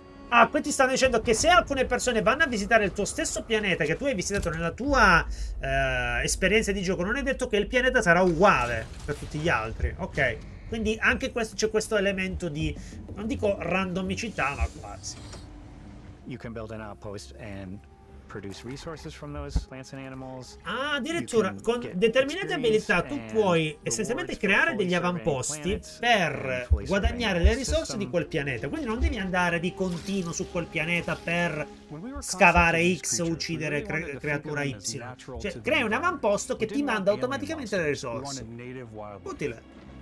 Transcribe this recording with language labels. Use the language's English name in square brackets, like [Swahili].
[Italian] Ah, qui ti stanno dicendo che se alcune persone vanno a visitare il tuo stesso pianeta che tu hai visitato nella tua esperienza di gioco, non è detto che il pianeta sarà uguale per tutti gli altri. Ok, quindi anche questo, c'è questo elemento di, non dico randomicità, ma quasi. [English] You can build an outpost and produce resources from those plants and animals. [Italian] Ah, addirittura con determinate abilità tu puoi essenzialmente creare degli avamposti per guadagnare le risorse di quel pianeta. Quindi non devi andare di continuo su quel pianeta per scavare X o uccidere creatura Y. Cioè, crea un avamposto che ti manda automaticamente le risorse. Utile.